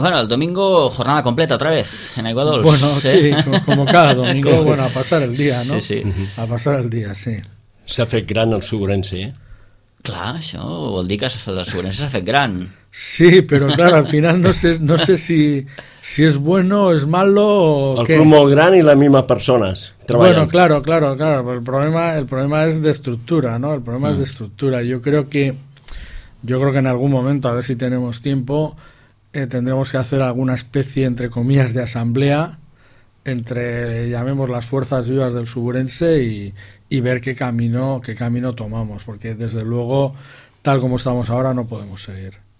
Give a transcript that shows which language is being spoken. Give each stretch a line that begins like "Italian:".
Spanish: Bueno, el domingo jornada completa otra vez en Aiguadols. Bueno, sí, como cada domingo, bueno, a pasar el día, ¿no? Sí, sí. A pasar el día, sí.
Catalan: S'ha fet gran el Sugrense, eh? Clar, això vol dir que el Sugrense s'ha fet gran. Sí, però clar, al final no sé si és bueno o és malo o el què. El club molt gran i les mismes persones treballant.
Spanish: Bueno, claro,
Catalan: el problema és d'estructura, ¿no? El problema és d'estructura.
Spanish: Yo creo que en algún momento, a ver si tenemos tiempo, tendremos que hacer alguna especie, entre comillas, de asamblea entre, llamemos, las fuerzas vivas del Suburense y ver qué camino tomamos, porque desde luego, tal como estamos ahora, no podemos seguir.